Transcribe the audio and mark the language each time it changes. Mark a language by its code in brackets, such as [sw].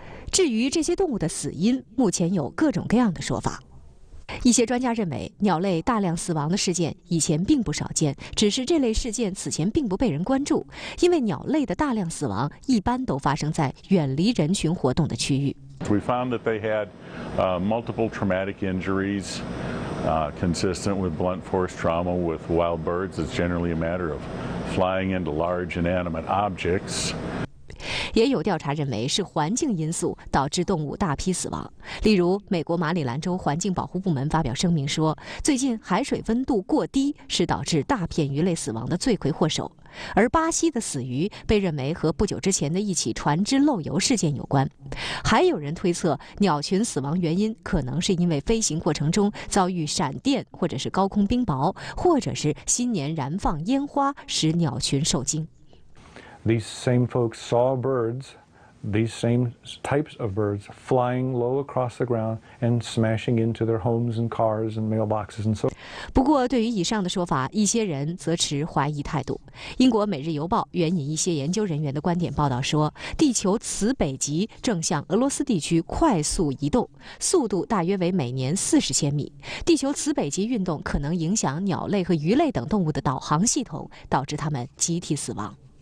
[zh] 至于这些动物的死因，目前有各种各样的说法。一些专家认为，鸟类大量死亡的事件以前并不少见，只是这类事件此前并不被人关注，因为鸟类的大量死亡一般都发生在远离人群活动的区域。 [en] We found that they had multiple traumatic injuries consistent with blunt force trauma with wild birds. It's generally a matter of flying into large inanimate objects. [zh] 也有调查认为是环境因素导致动物大批死亡。例如，美国马里兰州环境保护部门发表声明说，最近海水温度过低是导致大片鱼类死亡的罪魁祸首。而巴西的死鱼被认为和不久之前的一起船只漏油事件有关，还有人推测鸟群死亡原因可能是因为飞行过程中遭遇闪电或者是高空冰雹，或者是新年燃放烟花使鸟群受惊。 [en] These same folks saw birds, these same types of birds flying low across the ground and smashing into their homes and cars and mailboxes and so. [zh] 不过，对于以上的说法，一些人则持怀疑态度。英国《每日邮报》援引一些研究人员的观点报道说，地球磁北极正向俄罗斯地区快速移动，速度大约为每年40千米。地球磁北极运动可能影响鸟类和鱼类等动物的导航系统，导致它们集体死亡。